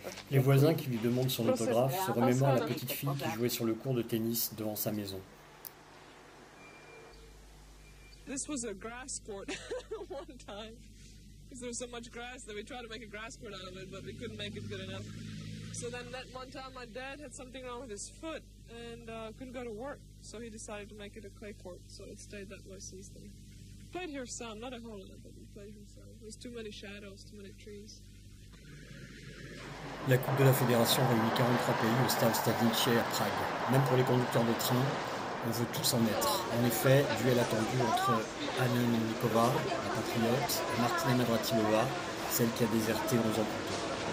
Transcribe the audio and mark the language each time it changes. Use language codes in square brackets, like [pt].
[fr] Les voisins qui lui demandent son autographe se remémorent la petite fille qui jouait sur le court de tennis devant sa maison. [en] This was a grass court one time. Because there was so much grass that we tried to make a grass court out of it, but we couldn't make it good enough. So then that one time my dad had something wrong with his foot and couldn't go to work. So he decided to make it a clay court, so it stayed that way since then. Played here some, not a whole lot, but we played here some. There's too many shadows, too many trees. [fr] La Coupe de la Fédération réunit 43 pays au stade Stavniče à Prague. Même pour les conducteurs de train, on veut tous en être. En effet, duel attendu entre Anna Melnikova, la patriote, et Martina Navratilova, celle qui a déserté 11 ans plus tôt.